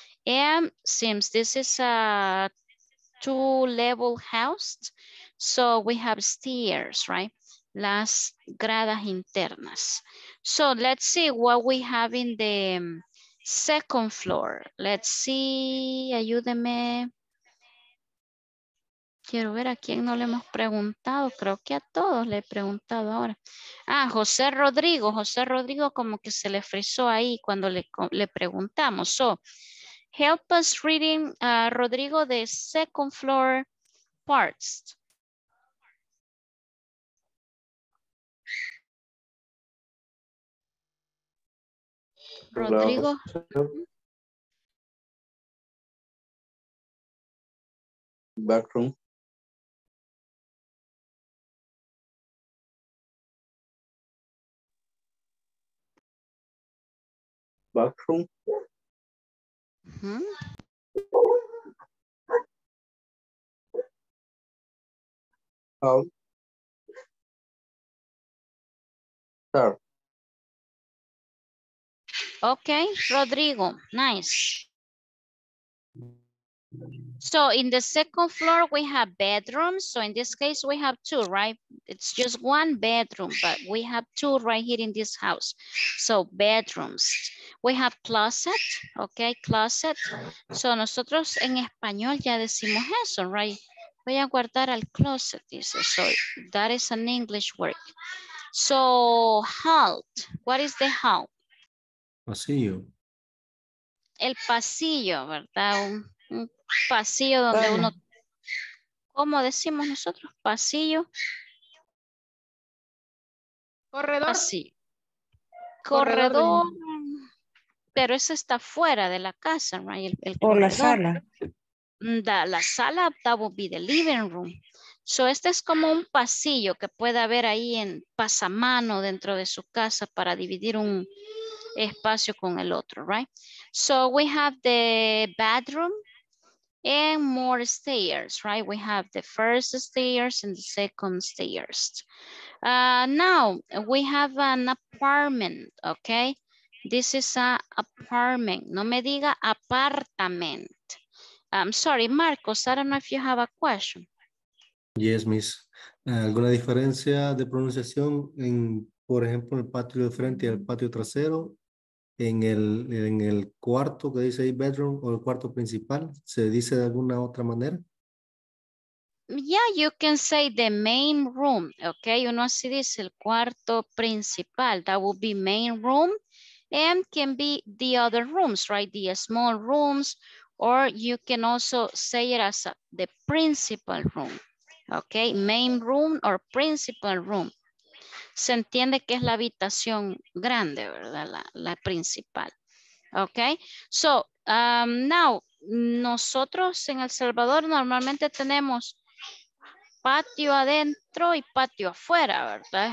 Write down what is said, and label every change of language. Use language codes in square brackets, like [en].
[en] And since this is a two-level house, so we have stairs, right? [es] Las gradas internas. [en] So let's see what we have in the second floor. Let's see, [es] ayúdeme. Quiero ver a quién no le hemos preguntado. Creo que a todos le he preguntado ahora. Ah, José Rodrigo. José Rodrigo como que se le frizó ahí cuando le preguntamos. [en] So, help us reading, Rodrigo, the second floor parts. Okay. Rodrigo. Back room. Back room. Mm-hmm. Sir. Okay, Rodrigo, nice. So in the second floor, we have bedrooms. So in this case, we have two, right? It's just one bedroom, but we have two right here in this house. So bedrooms. We have closet, okay, closet. [es] So nosotros en español ya decimos eso, right? Voy a guardar al closet, dice. [en] So that is an English word. So hall, what is the hall? [es] Pasillo. El pasillo, ¿verdad? Un pasillo donde uno, ¿cómo decimos nosotros? Pasillo. Corredor. Pasillo. Corredor. Pero eso está fuera de la casa, ¿no? El corredor. O la sala. La sala, [en] that would be the living room. [es] So este es como un pasillo que puede haber ahí en pasamano dentro de su casa para dividir un espacio con el otro, right? [en] So we have the bedroom and more stairs, right? We have the first stairs and the second stairs. Now we have an apartment, okay? This is a apartment. No me diga apartment. I'm sorry, Marcos, I don't know if you have a question. Yes, miss. [es] ¿Alguna diferencia de pronunciación en, por ejemplo, el patio de frente y el patio trasero? En el cuarto que dice ahí bedroom o el cuarto principal, ¿se dice de alguna otra manera? [en] Yeah, you can say the main room, okay? [es] Uno así dice el cuarto principal, [en] that would be main room, and can be the other rooms, right? The small rooms, or you can also say it as the principal room, okay? Main room or principal room. [es] Se entiende que es la habitación grande, ¿verdad? La principal. Ok. So, now, nosotros en El Salvador normalmente tenemos patio adentro y patio afuera, ¿verdad?